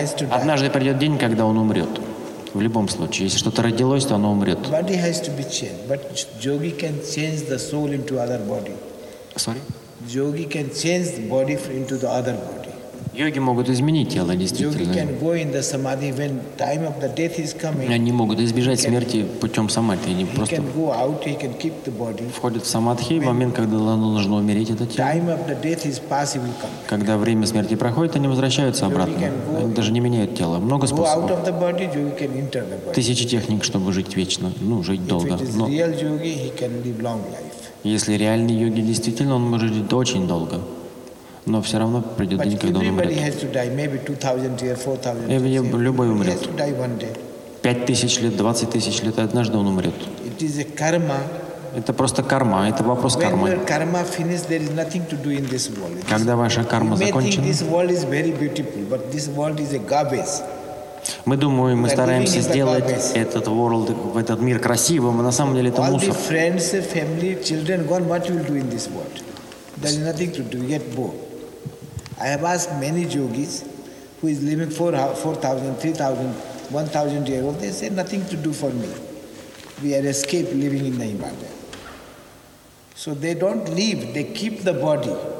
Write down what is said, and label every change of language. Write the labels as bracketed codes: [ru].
[ru] Однажды придет день, когда он умрет. В любом случае, если что-то родилось, то оно умрет. [en] Body has to be changed, but yogi can change the soul into other body. Sorry? Yogi can change the body into the other body. [ru] Йоги могут изменить тело, действительно. [en] Yogi can go in the samadhi when time of the death is coming. [ru] Они могут избежать смерти путем самадхи. Они просто [en] go out, he can keep the body. [ru] Входят в самадхи в момент, когда оно нужно умереть, это тело. [en] Time of the death is possible. [ru] Когда время смерти проходит, они возвращаются обратно. Они даже не меняют тело. Много способов. [en] Out of the body, yogi can enter the body. [ru] Тысячи техник, чтобы жить вечно, ну, жить долго. Но [en] real yogi, he can live long life. [ru] Если реальный йоги, действительно, он может жить очень долго. Но все равно придет день, когда он умрет. [en] Has to die, maybe 2000 years, 4000 [ru] years. Любой умрет. [en] He has to die one day. [ru] 5000 лет, 20000 лет, однажды он умрет. [en] It is a karma. [ru] Это просто карма, это вопрос кармы. [en] When your karma finished, there is nothing to do in this world. [ru] Когда ваша карма закончена? [en] This world is very beautiful, but this world is a garbage. [ru] Мы думаем, мы стараемся сделать этот world, этот мир красивым, а на самом деле это мусор. [en] All the friends, family, children gone, what you will do in this world? There is nothing to do, yet more. I have asked many yogis who is living 4,000, 3,000, 1,000 years old. They say, nothing to do for me. We are escaped living in the Himalaya. So they don't leave, they keep the body.